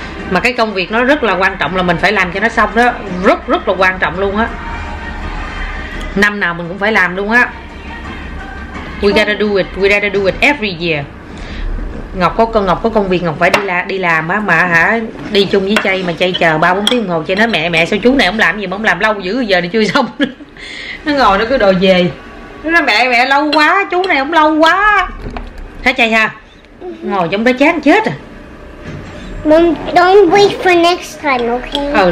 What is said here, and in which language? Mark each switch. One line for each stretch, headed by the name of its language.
Vietnamese: Mà cái công việc nó rất là quan trọng, là mình phải làm cho nó xong đó, rất rất là quan trọng luôn á. Năm nào mình cũng phải làm luôn á.
English: We gotta do it every year.
Vietnamese: Ngọc có công việc Ngọc phải đi làm á, mà hả đi chung với chay mà chay chờ 3-4 tiếng đồng hồ, chay nói mẹ sao chú này không làm gì mà không làm lâu dữ, giờ này chưa xong. Nó ngồi nó cứ đòi về. Nó nói mẹ lâu quá, chú này không lâu quá. Thấy chay ha. Ngồi trong đó chán chết à.
English: Mom, don't wait for next time, okay?